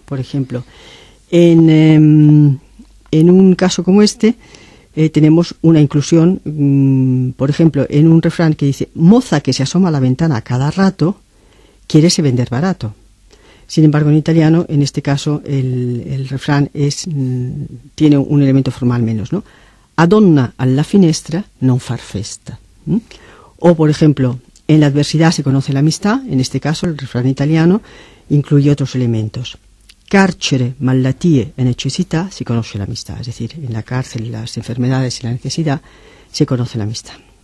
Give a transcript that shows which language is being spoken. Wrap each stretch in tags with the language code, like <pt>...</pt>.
<es>Por ejemplo, en un caso como este, tenemos una inclusión, por ejemplo, en un refrán que dice moza que se asoma a la ventana cada rato, quiérese vender barato. Sin embargo, en italiano, en este caso, el refrán es tiene un elemento formal menos, ¿no?</es> <it>A donna alla finestra non far festa.</it> <es>O, por ejemplo, en la adversidad se conoce la amistad, en este caso el refrán italiano incluye otros elementos.</es> <it>Carcere, malattie e necessità</it> <es>se conoce la amistad, es decir, en la cárcel, las enfermedades y la necesidad se conoce la amistad.</es>